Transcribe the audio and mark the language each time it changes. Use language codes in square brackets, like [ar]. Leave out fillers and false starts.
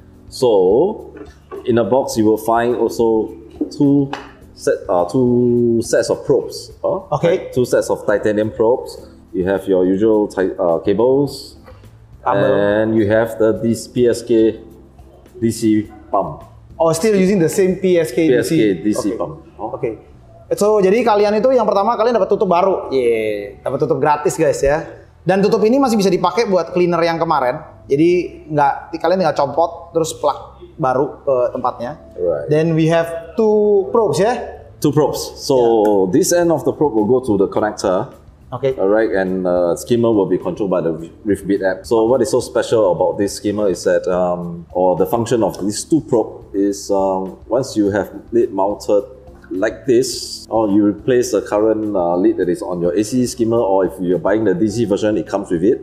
[en] So in a box, you will find also two sets of probes. Okay. Right? Two sets of titanium probes. You have your usual cables, and you have this PSK DC pump. Oh, still using the same PSK DC. PSK DC pump. Okay. [id] So jadi kalian itu yang pertama kalian dapat tutup baru, dapat tutup gratis guys ya. Dan tutup ini masih bisa dipakai buat cleaner yang kemarin. Jadi nggak kalian tinggal copot terus plug baru ke tempatnya. [en] Right. Then we have two probes, ya? Two probes. So this end of the probe will go to the connector. Okay. Alright, and skimmer will be controlled by the Reef Beat app. So what is so special about this skimmer is that, or the function of these two probe is, once you have lid mounted like this, or you replace the current lid that is on your AC skimmer, or if you're buying the DC version, it comes with it.